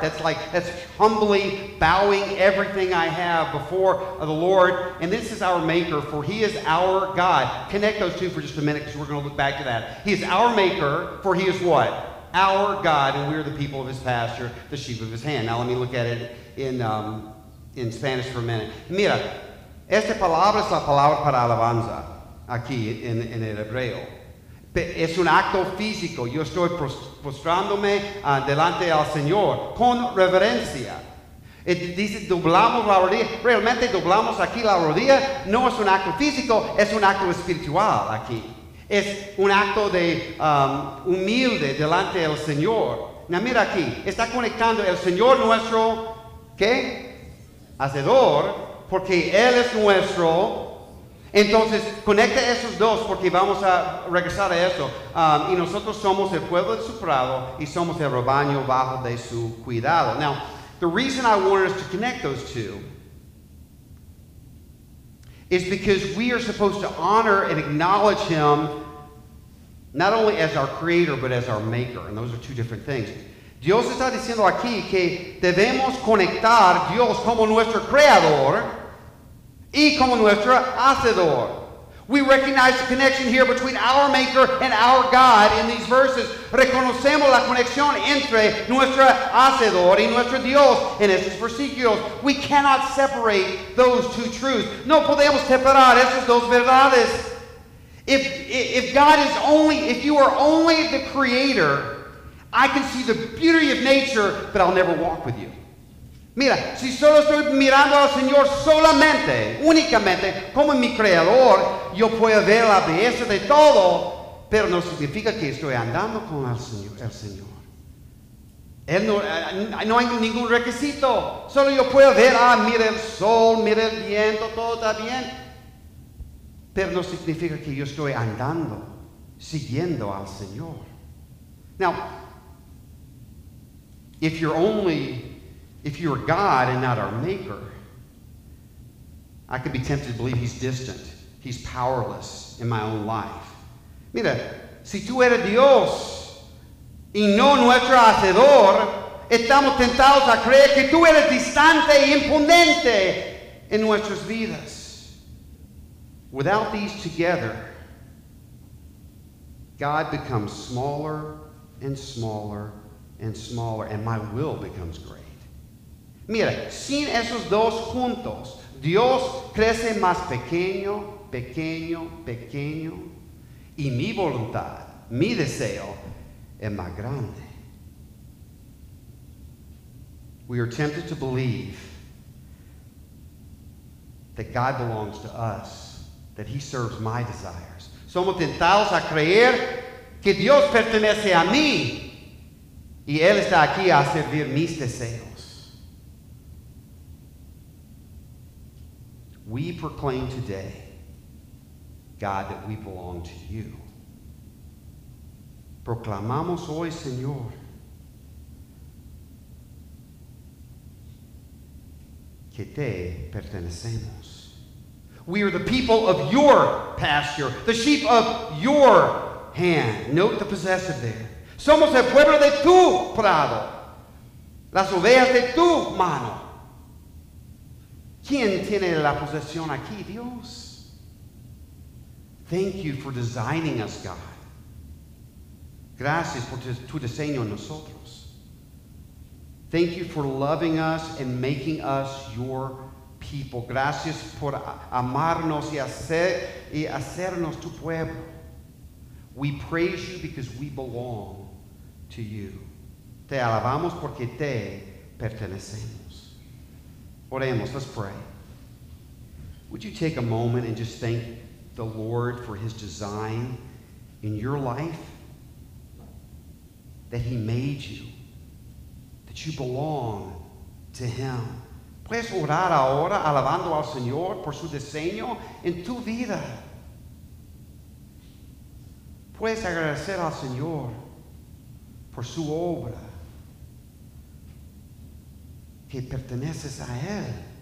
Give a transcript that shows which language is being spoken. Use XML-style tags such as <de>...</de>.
<en>That's humbly bowing everything I have before the Lord. And this is our Maker, for he is our God. Connect those two for just a minute, because we're going to look back to that. He is our Maker, for he is what? Our God, and we are the people of his pasture, the sheep of his hand. Now let me look at it in Spanish for a minute.</en> <es>Mira, esta palabra es la palabra para alabanza. Aquí en el hebreo. Es un acto físico. Yo estoy postrándome delante al Señor con reverencia. Dice, doblamos la rodilla. Realmente doblamos aquí la rodilla. No es un acto físico, es un acto espiritual aquí. Es un acto de humilde delante del Señor. Now, mira aquí, está conectando el Señor nuestro, ¿qué? Hacedor, porque Él es nuestro. Entonces, conecta esos dos porque vamos a regresar a eso. Y nosotros somos el pueblo de su prado y somos el rebaño bajo de su cuidado.</es> <en>Now, the reason I wanted us to connect those two is because we are supposed to honor and acknowledge him not only as our creator, but as our maker. And those are two different things.</en> <es>Dios está diciendo aquí que debemos conectar a Dios como nuestro creador y como nuestro hacedor.</es> <en>We recognize the connection here between our maker and our God in these verses.</en> <es>Reconocemos la conexión entre nuestro hacedor y nuestro Dios en estos versículos.</es> <en>We cannot separate those two truths.</en> <es>No podemos separar esas dos verdades.</es> <en>If God is only, if you are only the creator, I can see the beauty of nature, but I'll never walk with you.</en> <es>Mira, si solo estoy mirando al Señor solamente, únicamente, como mi creador, yo puedo ver la belleza de todo, pero no significa que estoy andando con el Señor. Él no hay ningún requisito. Solo yo puedo ver, mira el sol, mira el viento, todo está bien. Pero no significa que yo estoy andando, siguiendo al Señor.</es> <en>Now, if you are God and not our maker, I could be tempted to believe he's distant. He's powerless in my own life.</en> <es>Mira, si tú eres Dios y no nuestro hacedor, estamos tentados a creer que tú eres distante e impotente en nuestras vidas.</es> <en>Without these together, God becomes smaller and smaller and smaller, and my will becomes greater.</en> <es>Mira, sin esos dos juntos, Dios crece más pequeño, pequeño, pequeño. Y mi voluntad, mi deseo, es más grande.</es> <en>We are tempted to believe that God belongs to us, that he serves my desires.</en> <es>Somos tentados a creer que Dios pertenece a mí Y Él está aquí a servir mis deseos.</es> <en>We proclaim today, God, that we belong to you.</en> <es>Proclamamos hoy, Señor, que te pertenecemos.</es> <en>We are the people of your pasture, the sheep of your hand. Note the possessive there.</en> <es>Somos el pueblo de tu prado, las ovejas de tu mano. ¿Quién tiene la posesión aquí? Dios.</es> <en>Thank you for designing us, God.</en> <es>Gracias por tu diseño en nosotros.</es> <en>Thank you for loving us and making us your people.</en> <es>Gracias por amarnos y hacernos tu pueblo.</es> <en>We praise you because we belong to you.</en> <es>Te alabamos porque te pertenecemos. Oremos,</es> <en>let's pray. Would you take a moment and just thank the Lord for his design in your life? That he made you, that you belong to him.</en> <es>Puedes orar ahora alabando al Señor por su diseño en tu vida. Puedes agradecer al Señor por su obra, que perteneces a él.</es>